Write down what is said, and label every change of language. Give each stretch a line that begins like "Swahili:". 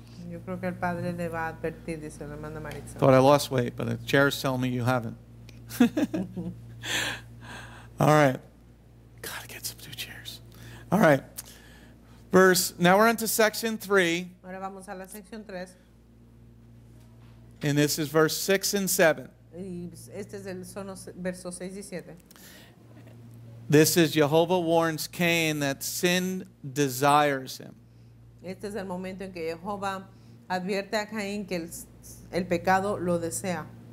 Spanish: Yo creo que el padre le va a advertir, dice la hermana Maritza.
English: Thought I lost weight, but the chair is telling me you haven't. All right. Gotta get some new chairs. All right. Now we're into section 3.
Spanish: Ahora vamos a la sección 3.
English: And this is verse 6 and 7.
Spanish: Son los versos 6 y 7.
English: This is Jehovah warns Cain that sin desires him.
Spanish: Este es el momento en que Jehovah advierte a Caín que el pecado lo desea.